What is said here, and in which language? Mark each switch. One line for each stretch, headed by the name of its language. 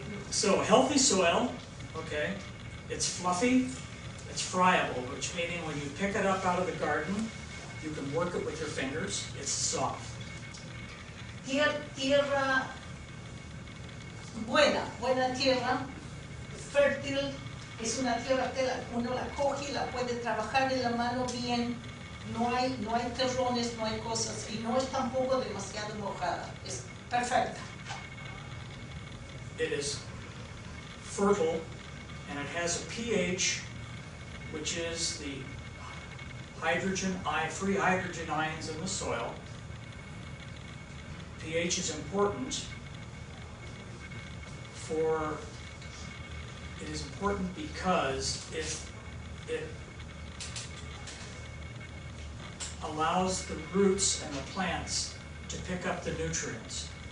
English: So healthy soil, okay, it's fluffy, it's friable, which meaning when you pick it up out of the garden, you can work it with your fingers, it's soft.
Spanish: Tierra buena, buena tierra, fértil, es una tierra que uno la coge y la puede trabajar en la mano bien. No hay terrones, no hay cosas, y no es tampoco demasiado mojada. Es perfecta.
English: It is fertile, and it has a pH, which is the free hydrogen ions in the soil. pH is important for, it is important because if it allows the roots and the plants to pick up the nutrients.